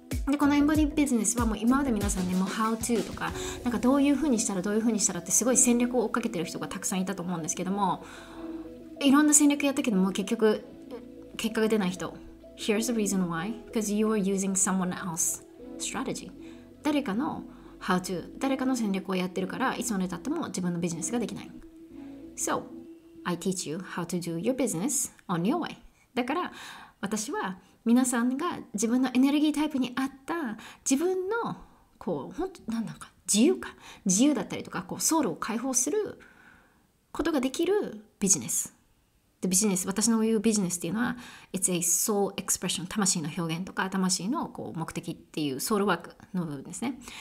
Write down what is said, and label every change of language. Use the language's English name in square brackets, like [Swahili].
[Japanese] でこのエンボディビジネスはもう今まで皆さんね、もう How to とか、なんかどういう風にしたらどういう風にしたらってすごい戦略を追っかけてる人がたくさんいたと思うんですけども、いろんな戦略やったけども結局結果が出ない人。 [English] Here's the reason why. Because you are using someone else's strategy. [Japanese] 誰かの How to、 誰かの戦略をやってるからいつまでたっても自分のビジネスができない。 [English] So I teach you how to do your business on your way. [Japanese] だから私は皆さんが自分のエネルギータイプに合った自分のこう本当なんだか自由だったりとかこうソウルを解放することができるビジネス。で、ビジネス、私の言うビジネスっていうのは、 [English] It's a soul expression、 [Japanese] 魂の表現とか魂のこう目的っていうソウルワークの部分ですね。